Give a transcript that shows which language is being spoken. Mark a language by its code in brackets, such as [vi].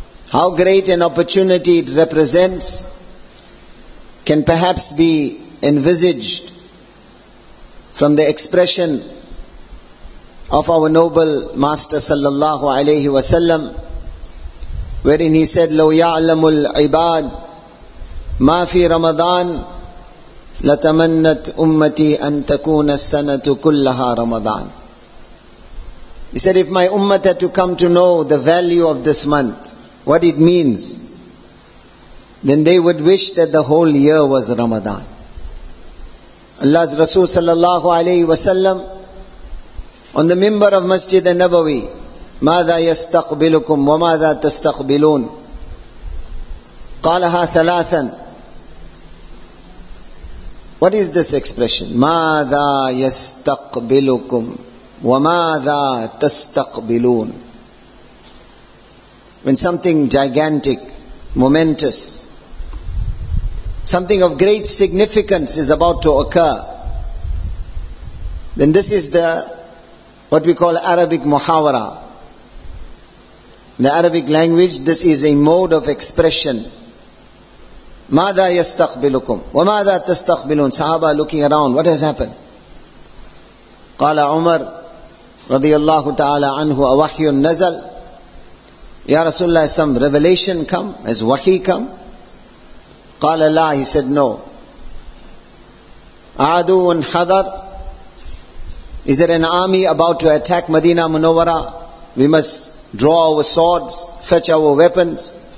[en] How great an opportunity it represents can perhaps be envisaged from the expression of our noble master sallallahu alayhi wa sallam, wherein he said, [ar] لو يعلم العباد ما في رمضان لتمنت أمتي أن تكون السنة كلها رمضان. [en] He said, if my ummah had to come to know the value of this month, what it means, then they would wish that the whole year was Ramadan. Allah's Rasul sallallahu alayhi wa sallam, on the minbar of Masjid al-Nabawi, [ar] ماذا يستقبلكم وماذا تستقبلون قالها ثلاثا. [en] What is this expression? [ar] ماذا يستقبلكم وماذا تستقبلون. [en] When something gigantic, momentous, something of great significance is about to occur, then this is the what we call Arabic muhawara. In the Arabic language, this is a mode of expression. [ar] ماذا يستقبلكم وماذا تستقبلون. [en] Sahaba looking around, what has happened? [ar] قال عمر رضي الله تعالى عنه أوحي نزل. يا رسول الله, [en] some revelation come, has wahi come? [ar] قال لا. [en] He said no. [ar] عدو حضر. [en] Is there an army about to attack Medina Munawwara? We must draw our swords, fetch our weapons.